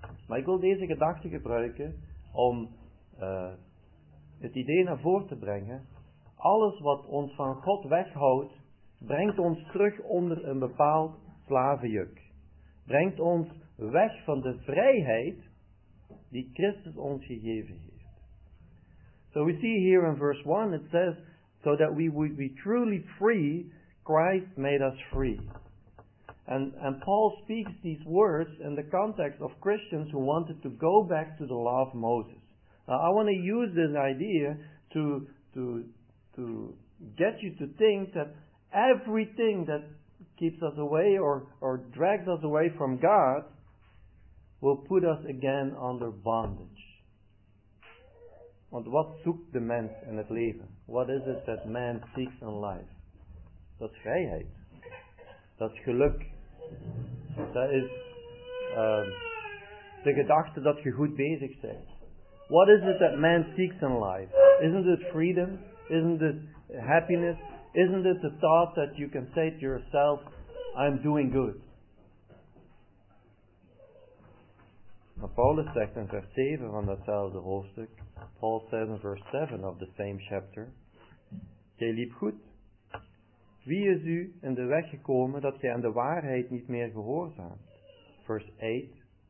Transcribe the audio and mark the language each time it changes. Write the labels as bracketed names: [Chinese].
[Dutch] Maar ik wil deze gedachte gebruiken om het idee naar voren te brengen. Alles wat ons van God weghoudt, brengt ons terug onder een bepaald slavenjuk. Brengt ons weg van de vrijheid die Christus ons gegeven heeft. [English] So we see here in verse 1, it says, so that we would be truly free, Christ made us free. And Paul speaks these words in the context of Christians who wanted to go back to the law of Moses. Now I want to use this idea to get you to think that everything that keeps us away or drags us away from God will put us again under bondage. [Dutch] Want wat zoekt de mens in het leven? [English] What is it that man seeks in life? [Dutch] Dat is vrijheid. Dat is geluk. Dat is de gedachte dat je goed bezig bent. [English] What is it that man seeks in life? Isn't it freedom? Isn't it happiness? Isn't it the thought that you can say to yourself, I'm doing good? [Dutch] Maar Paulus zegt in vers 7 van datzelfde hoofdstuk, [English] Paul says in verse 7 of the same chapter, [Dutch] jij liep goed. Wie is u in de weg gekomen dat gij aan de waarheid niet meer gehoorzaamt? Vers 8.